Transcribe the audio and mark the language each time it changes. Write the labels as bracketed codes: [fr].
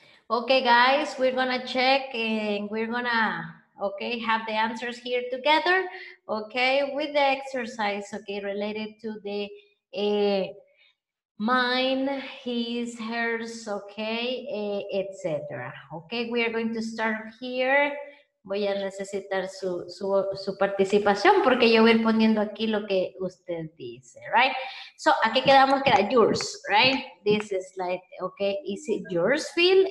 [en] Okay, guys, we're gonna check and we're gonna, okay, have the answers here together, okay, with the exercise, okay, related to the mine, his, hers, okay, etc. Okay, we are going to start here. [es] Voy a necesitar su participación porque yo voy a ir poniendo aquí lo que usted dice, right? So, aquí quedamos que era [en] yours, right? This is like, okay, is it yours, Phil?